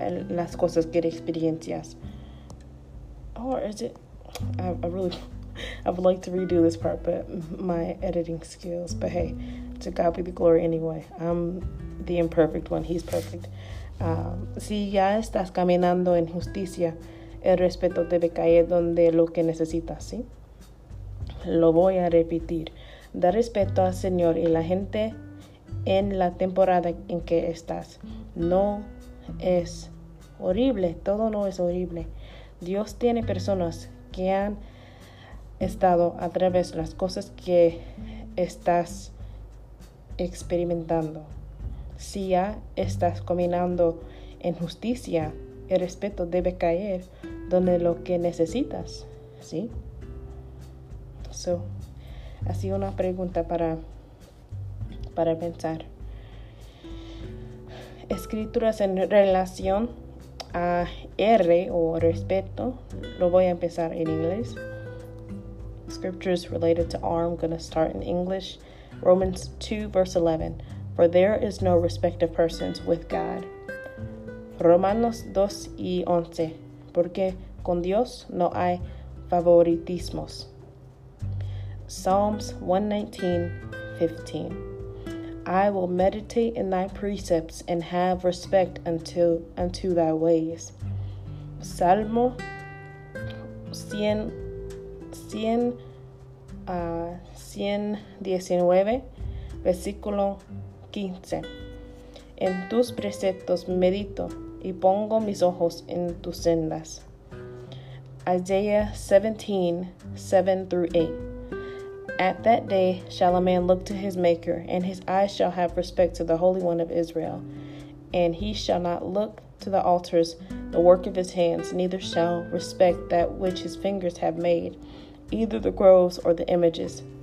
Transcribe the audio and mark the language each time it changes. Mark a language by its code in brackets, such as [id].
[es] Las cosas que experiencias. [en] Or is it? I would like to redo this part, but my editing skills. But hey, to God be the glory anyway. I'm the imperfect one. He's perfect. [es] Si ya estás caminando en justicia, el respeto debe caer donde lo que necesitas, ¿sí? Lo voy a repetir. Da respeto al Señor y la gente en la temporada en que estás. No es horrible. Todo no es horrible. Dios tiene personas que han estado a través de las cosas que estás experimentando. Si ya estás caminando en justicia, el respeto debe caer donde lo que necesitas, ¿sí? So, así una pregunta para pensar. Escrituras en relación a R o respeto, lo voy a empezar en inglés. [en] Scriptures related to R, I'm going to start in English. Romans 2, verse 11. For there is no respect of persons with God. [es] Romanos 2 y 11. Porque con Dios no hay favoritismos. [en] Psalms 119:15. I will meditate in thy precepts and have respect unto thy ways. [es] Salmo 119, versículo 15. En tus preceptos medito y pongo mis ojos en tus sendas. [en] Isaiah 17:7-8. At that day shall a man look to his maker, and his eyes shall have respect to the Holy One of Israel. And he shall not look to the altars, the work of his hands, neither shall respect that which his fingers have made, either the groves or the images.